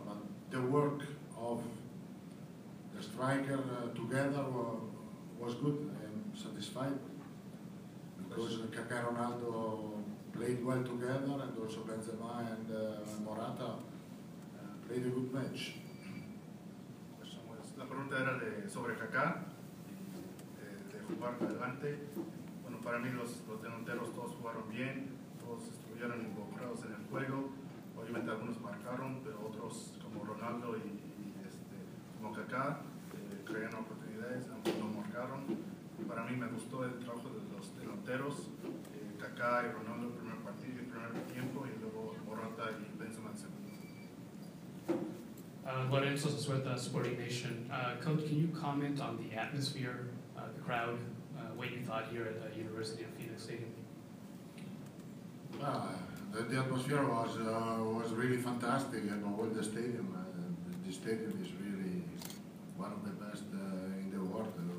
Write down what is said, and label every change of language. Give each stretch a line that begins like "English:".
English: But the work of the striker together was good. I'm satisfied because Kaká Ronaldo played well together, and also Benzema and Morata played a good match.
Spanish: La pregunta era sobre Kaká, de jugar adelante. Bueno, para mí los delanteros todos jugaron bien, todos estuvieron involucrados en el juego. Obviamente algunos marcaron, pero otros como Ronaldo y como Kaká crearon oportunidades, aunque no marcaron. Para mí me gustó el trabajo de los delanteros, Kaká y Ronaldo el primer partido y el primer tiempo, y luego Morata y Benzema el segundo.
English: Lorenzo Sueta, Sporting Nation. Coach, can you comment on the atmosphere, the crowd, what you thought here at the University of Phoenix Stadium? The atmosphere was really fantastic at all the stadium. The stadium is really one of the best in the world.